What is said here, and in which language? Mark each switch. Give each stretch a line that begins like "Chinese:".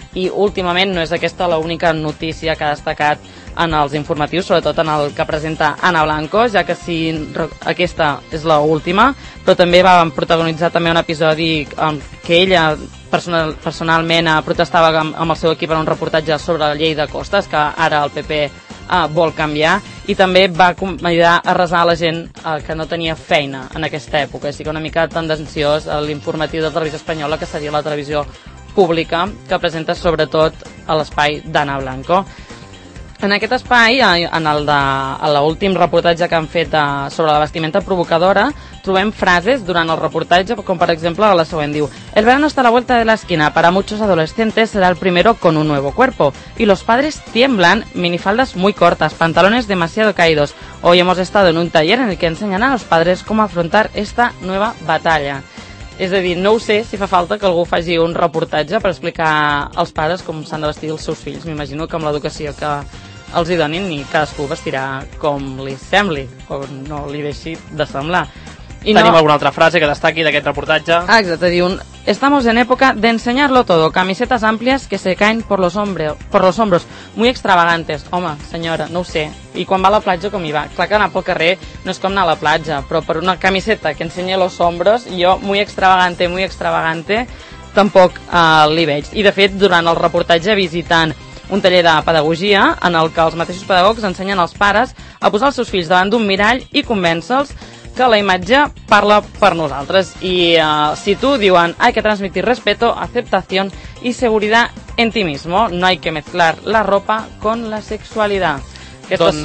Catalan: I últimament no és aquesta l'única notícia que ha destacat en els informatius, sobretot en el que presenta Ana Blanco, ja que si aquesta és l'última, però també va protagonitzar també un episodi en què ella personalment protestava amb el seu equip en un reportatge sobre la llei de costes, que ara el PP vol canviar, i també va convidar a resar a la gent que no tenia feina en aquesta època. Així que una mica tendenciós l'informatiu de Televisió Espanyola, que seria la televisió pública, que presenta sobretot a l'espai d'Ana Blanco. En aquest espai, en el de l'últim reportatge que han fet sobre la vestimenta provocadora, trobem frases durant el reportatge, com per exemple la següent diu:
Spanish: el verano está a la vuelta de la esquina, para muchos adolescentes será el primero con un nuevo cuerpo, y los padres tiemblan, minifaldas muy cortas, pantalones demasiado caídos. Hoy hemos estado en un taller en el que enseñan a los padres cómo afrontar esta nueva batalla.
Catalan: És a dir, no ho sé si fa falta que algú faci un reportatge per explicar als pares com s'han de vestir els seus fills. M'imagino que amb l'educació que els hi donin, i cadascú vestirà com li sembli o no li deixi de semblar. I tenim no... alguna altra frase que destaqui d'aquest reportatge? Exacte, diu:
Spanish: estamos en época de enseñarlo todo, camisetas amplias que se caen por los hombros, muy extravagantes.
Catalan: Home, senyora, no ho sé, i quan va a la platja com hi va? Clar que anar pel carrer no és com anar a la platja, però per una camiseta que ensenya
Spanish: los hombros,
Catalan: jo
Spanish: muy extravagante,
Catalan: tampoc l'hi veig. I de fet, durant el reportatge, visitant un taller de pedagogia en el que els mateixos pedagogs ensenyen als pares a posar els seus fills davant d'un mirall i convèncer-los que la imatge parla per nosaltres, i si tu, diuen,
Spanish: hay que transmitir respeto, aceptación y seguridad en ti mismo, no hay que mezclar la ropa con la sexualidad.
Catalan: Aquestes doncs...